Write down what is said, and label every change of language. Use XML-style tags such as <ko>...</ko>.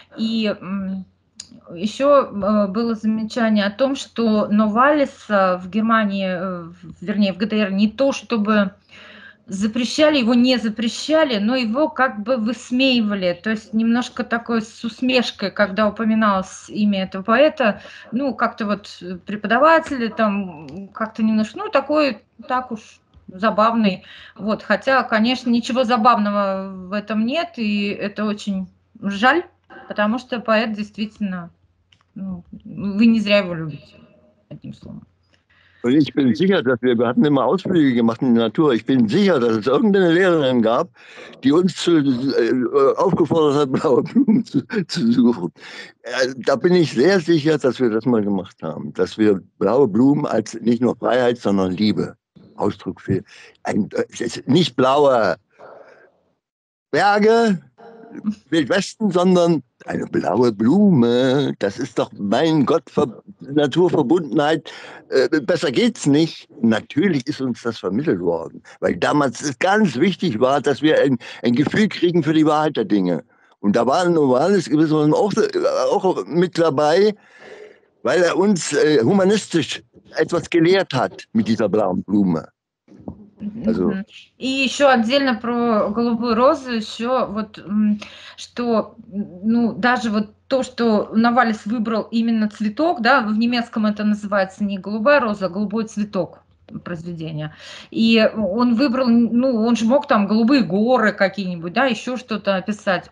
<ru>И еще было замечание о том, что Новалис в Германии, вернее в ГДР, не то чтобы запрещали, его не запрещали, но его как бы высмеивали, то есть немножко такой с усмешкой, когда упоминалось имя этого поэта, ну, как-то вот преподаватели там, как-то немножко, ну, такой, так уж, забавный, вот, хотя, конечно, ничего забавного в этом нет, и это очень жаль, потому что поэт действительно, ну, вы не зря его любите, одним словом.</ru> <de>Und ich bin sicher, dass wir hatten immer Ausflüge gemacht in die Natur. Ich bin sicher, dass es irgendeine Lehrerin gab, die uns aufgefordert hat, blaue Blumen zu suchen. Da bin ich sehr sicher, dass wir das mal gemacht haben. Dass wir blaue Blumen als nicht nur Freiheit, sondern Liebe. Ausdruck für ein nicht blaue Berge, Wildwesten, sondern eine blaue Blume. Das ist doch, mein Gott, Naturverbundenheit. Besser geht's nicht. Natürlich ist uns das vermittelt worden, weil damals es ganz wichtig war, dass wir ein Gefühl kriegen für die Wahrheit der Dinge. Und da war ein Novalis gewissermaßen auch mit dabei, weil er uns humanistisch etwas gelehrt hat mit dieser blauen Blume.</de> <ru>И еще отдельно про голубую розу, еще вот, что, ну, даже вот то, что Навалис выбрал именно цветок, да, в немецком это называется не голубая роза, а голубой цветок произведения. И он выбрал, ну, он же мог там голубые горы какие-нибудь, да, еще что-то описать.</ru>